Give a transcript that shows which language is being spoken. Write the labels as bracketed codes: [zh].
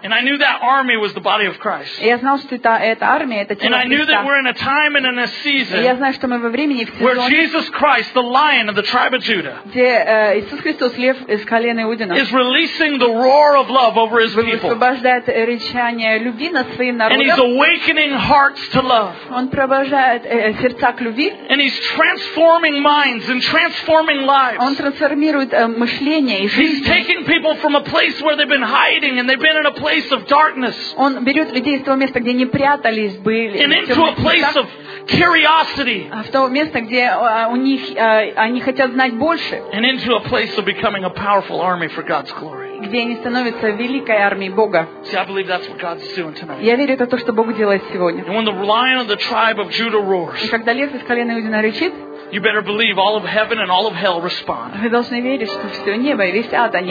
[en] And I knew that army was the body of Christ. [ru] Я знал, что это армия, это тело Христа. [en] And I knew that we're in a time and in a season. [ru] Я знаю, что мы во времени, в сезоне, [en] where Jesus Christ, the lion of the tribe of Judah, [ru] где Иисус Христос, лев из колена [en] is releasing the roar of love over His people. [ru] Высвобождает рычание любви над своим народом. [en] And He's awakening hearts to love. [ru] Он пробуждает сердца к любви. [en] And He's transforming minds and transforming lives. [ru] Он трансформирует мышление и жизнь. [en] He's taking people from a place where they've been hiding and they've been in a place of darkness. [ru] Он берет людей из того места, где они прятались были. [en] And into a place of curiosity. [ru] В то место, где у них они хотят знать больше. [en] And into a place of becoming a powerful army for God's glory. [ru] Где они становятся великой армией Бога. [en] See, I believe that's what God's doing tonight. [ru] Я верю, это то, что Бог делает сегодня. [en] And when the lion of the tribe of Judah roars, [ru] и когда лев из колена Иудина рычит, [en] you better believe all of heaven and all of hell respond. [ru] Вы должны верить, что все небо и весь ад, они